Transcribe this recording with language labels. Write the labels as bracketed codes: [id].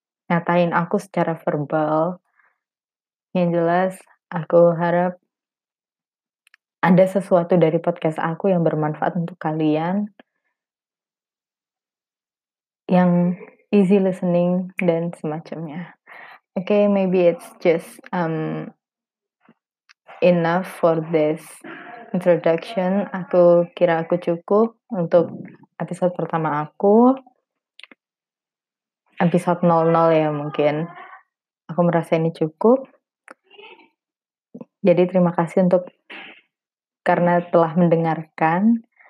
[id] nyatain aku secara verbal. Yang jelas, aku harap ada sesuatu dari podcast aku yang bermanfaat untuk kalian, yang [en] easy listening [id] dan semacamnya. [en] Okay, maybe it's just enough for this introduction. [id] Aku kira aku cukup untuk episode pertama aku. Episode 00 ya mungkin. Aku merasa ini cukup. Jadi terima kasih untuk karena telah mendengarkan.